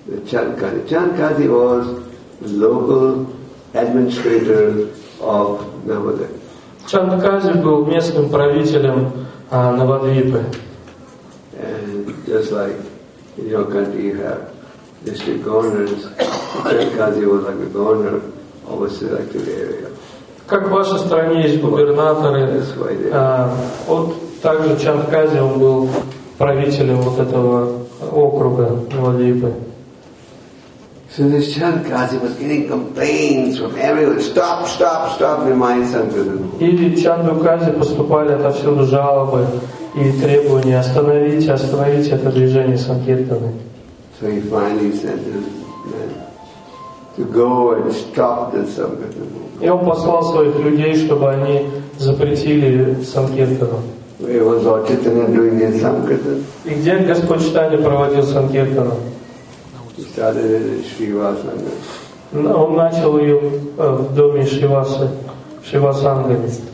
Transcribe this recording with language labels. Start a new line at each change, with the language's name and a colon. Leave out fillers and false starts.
English: Чанкази was the local administrator of Navadvipa.
Russian: Чанкази был местным правителем Навадвипы.
English: And just like in your country you have district governors, Чанкази was like the governor of a selected area.
Russian: Как в вашей стране есть губернаторы, вот также Чанкази он был правителем вот этого округа Навадвипы.
English: So this Чанкази was getting complaints from everyone. Stop, Nimai Sankirtan.
Russian: И Чанкази поступали отовсюду жалобы и требования остановить это движение санкиртаны.
English: So he finally sent him to go and stop the Sankirtan.
Russian: И он послал своих людей, чтобы они запретили санкиртану.
English: Where was Lord Chaitanya doing his Sankirtan?
Russian: И где Господь Читания проводил санкиртану?
English: No,
Russian: он начал ее в доме Шивасангани.